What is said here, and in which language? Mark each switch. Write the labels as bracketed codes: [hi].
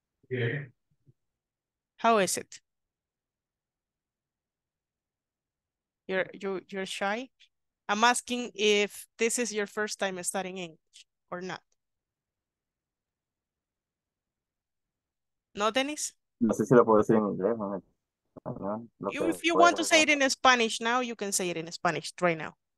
[en] Yeah. How is it? You're shy? I'm asking if this is your first time studying English or not. No, Dennis? [es] No sé si lo puedo decir en inglés, no. [en] You, if you want to say it in Spanish now, you can say it in Spanish right now.